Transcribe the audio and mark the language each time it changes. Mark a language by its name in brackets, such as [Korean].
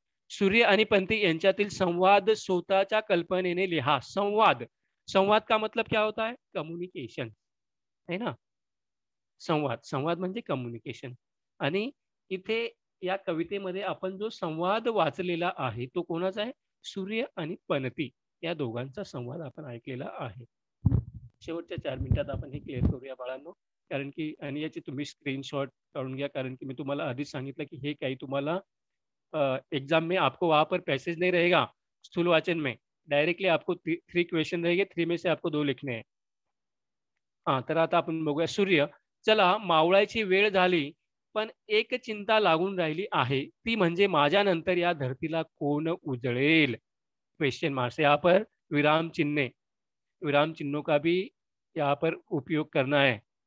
[Marathi] सूर्य आणि पंती यांच्यातील संवाद स्वतःच्या कल्पनेने लिहा। [Hindi] संवाद, संवाद का मतलब क्या होता है? कम्युनिकेशन है ना, [Marathi] संवाद, संवाद म्हणजे कम्युनिकेशन। आणि इथे या कवितेमध्ये आपण जो संवाद वाचलेला आहे तो कोणाचा आहे? सूर्य आणि पंती या दोघांचा संवाद आपण ऐकलेला आहे। शेवटच्या 4 मिनिटात आपण हे क्लिअर करूया बाळांनो, कारण की आणि याची तुम्ही स्क्रीनशॉट काढून घ्या, कारण की मी तुम्हाला आधीच सांगितलं की हे काही तुम्हाला एग्जाम [Hindi] में आपको वहां पर पैसेज नहीं रहेगा, स्थूल वाचन में डायरेक्टली आपको 3 क्वेश्चन रहेंगे, 3 में से आपको 2 लिखने हैं। [Marathi] हाँ, तर आता आपण बघूया। सूर्य, चला मावळायची वेळ झाली, पण एक चिंता लागून राहिली आहे, ती म्हणजे माझ्या नंतर या धरतीला कोण उजळेल? [Hindi] क्वेश्चन मार्क्स, यहाँ पर विराम चिन्हों का भी यहाँ पर उपयोग करना है।